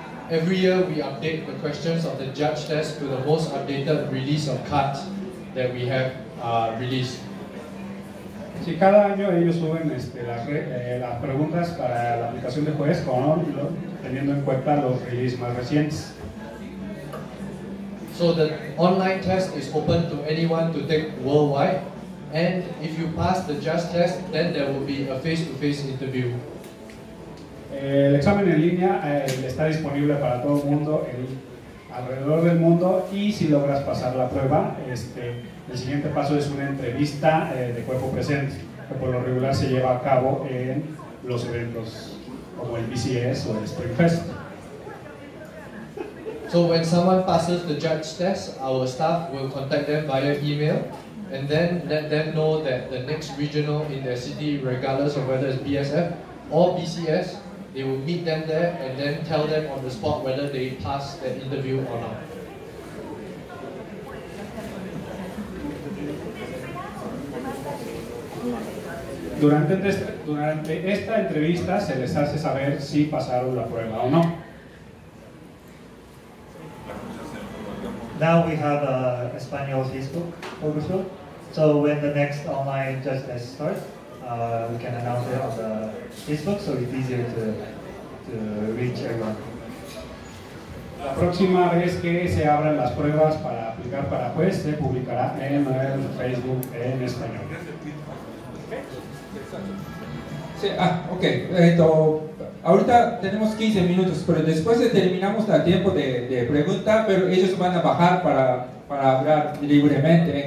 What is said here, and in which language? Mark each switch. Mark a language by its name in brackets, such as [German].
[English] Every year we update the questions of the judge test to the most updated release of cards that we have released. [Spanish] Sí, cada año ellos suben las preguntas para la aplicación de juez teniendo en cuenta los releases más recientes. [English] So the online test is open to anyone to take worldwide, and if you pass the judge test, then there will be a face-to-face interview. [Spanish] El examen en línea está disponible para todo el mundo alrededor del mundo, y si logras pasar la prueba, el siguiente paso es una entrevista de cuerpo presente, que por lo regular se lleva a cabo en los eventos como el BCS o el Spring Fest. [English] So when someone passes the judge test, our staff will contact them via email and then let them know that the next regional in their city, regardless of whether it's BSF or BCS, they will meet them there and then tell them on the spot whether they pass the interview or not. [Spanish] Durante esta entrevista se les hace saber si pasaron la prueba o no. [English] Now we have a Espanol Facebook official. So when the next online judge test starts, we can announce it on the Facebook, so it's easier to reach everyone. [Spanish] La próxima vez que se abran las pruebas para aplicar para juez, se publicará en el Facebook en español. Sí, ok. Ahorita tenemos 15 minutos, pero después terminamos el tiempo de pregunta, pero ellos van a bajar para hablar libremente.